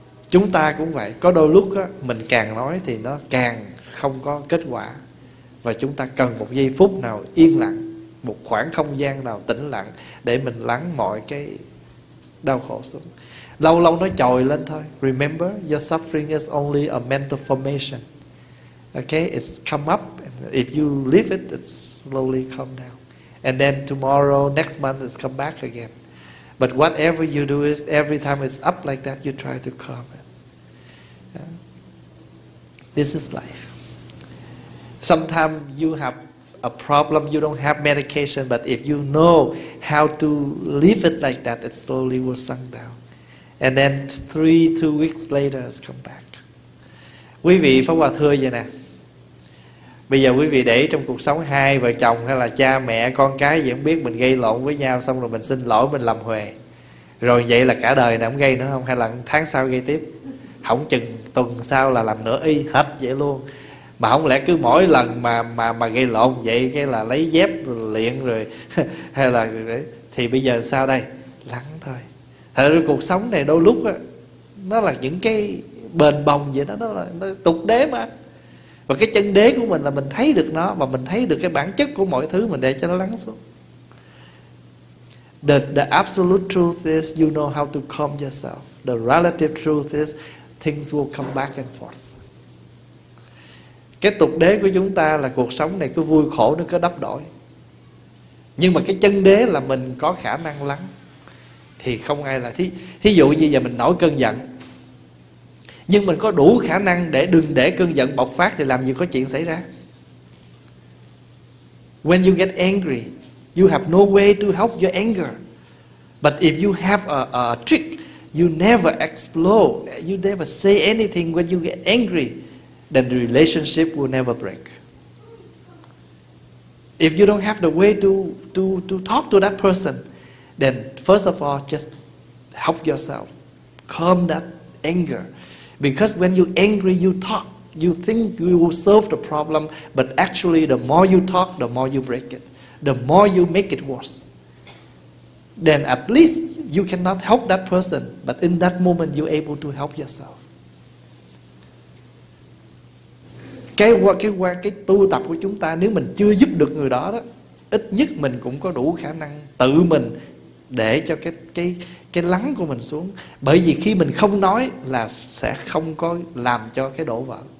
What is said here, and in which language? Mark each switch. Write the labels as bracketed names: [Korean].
[Vietnamese] Chúng ta cũng vậy, có đôi lúc á, mình càng nói thì nó càng không có kết quả. Và chúng ta cần một giây phút nào yên lặng, một khoảng không gian nào tĩnh lặng để mình lắng mọi cái đau khổ xuống. Lâu lâu nó chồi lên thôi. [English] Remember, your suffering is only a mental formation. Okay, it's come up. If you leave it, it's slowly come down. And then tomorrow, next month, it's come back again. But whatever you do is, every time it's up like that, you try to calm it. This is life. Sometimes you have a problem, you don't have medication, but if you know how to leave it like that, it slowly will sink down. And then two weeks later, it's come back. [Vietnamese] Quý vị Pháp Hòa thưa vậy nè. Bây giờ quý vị để trong cuộc sống hai vợ chồng hay là cha mẹ con cái gì không biết, mình gây lộn với nhau xong rồi mình xin lỗi, mình làm huề. Rồi vậy là cả đời này không gây nữa không? Hay là tháng sau gây tiếp? Không chừng tuần sau là làm nữa y hết vậy luôn. Mà không lẽ cứ mỗi lần mà gây lộn vậy cái là lấy dép luyện rồi hay là thì bây giờ sao đây? Lắng thôi. Thật ra cuộc sống này đôi lúc á, nó là những cái bền bồng vậy đó, nó tục đế mà. Và cái chân đế của mình là mình thấy được nó, và mình thấy được cái bản chất của mọi thứ, mình để cho nó lắng xuống. [English] The absolute truth is you know how to calm yourself. The relative truth is things will come back and forth. [Vietnamese] Cái tục đế của chúng ta là cuộc sống này cứ vui khổ, nó cứ đắp đổi. Nhưng mà cái chân đế là mình có khả năng lắng. Thì không ai là thí dụ như giờ mình nổi cơn giận, nhưng mình có đủ khả năng để đừng để cơn giận bộc phát thì làm gì có chuyện xảy ra. [English] When you get angry, you have no way to help your anger. But if you have a trick, you never explode, you never say anything when you get angry, then the relationship will never break. If you don't have the way to talk to that person, then first of all, just help yourself calm that anger. Because when you angry, you talk, you think you will solve the problem, but actually the more you talk, the more you break it, the more you make it worse. Then at least you cannot help that person, but in that moment you're able to help yourself. [Vietnamese] Cái tu tập của chúng ta, nếu mình chưa giúp được người đó đó, ít nhất mình cũng có đủ khả năng tự mình để cho cái lắng của mình xuống. Bởi vì khi mình không nói là sẽ không có làm cho cái đổ vỡ.